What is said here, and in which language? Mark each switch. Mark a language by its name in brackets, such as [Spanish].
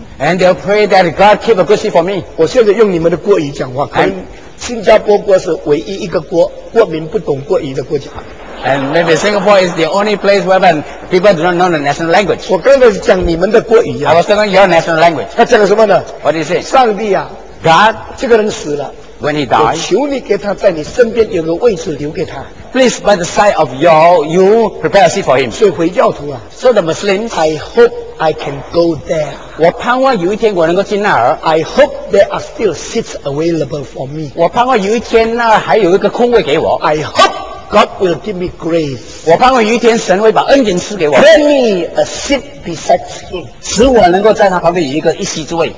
[English] And they pray that God keep a good seat for me. [Chinese] 我现在用你们的国语讲话，可以。新加坡国是唯一一个国，国民不懂国语的国家。 [English] And maybe Singapore is the only place where people do not know the national language. [Chinese] 我刚才讲你们的国语啊。 [English] I was talking your national language. [Chinese] 他讲什么呢 [English] ？What is it? [Chinese] 上帝啊 [English] ，God， [Chinese] 这个人死了。 [English] When he died, [Chinese] 我求你给他在你身边有个位置留给他。 [English] Please by the side of you prepare a seat for him. [Chinese] 所以回教徒啊 [English] ，So the Muslims, I hope I can go there. [Chinese] 我盼望有一天我能够去那儿。 [English] I hope there are still seats available for me. [Chinese] 我盼望有一天那儿还有一个空位给我。 [English] I hope God will give me grace. [Chinese] 我盼望有一天神会把恩典赐给我。 [English] Grant me a seat beside him. [Chinese] 使我能够在他旁边有一个一席之位。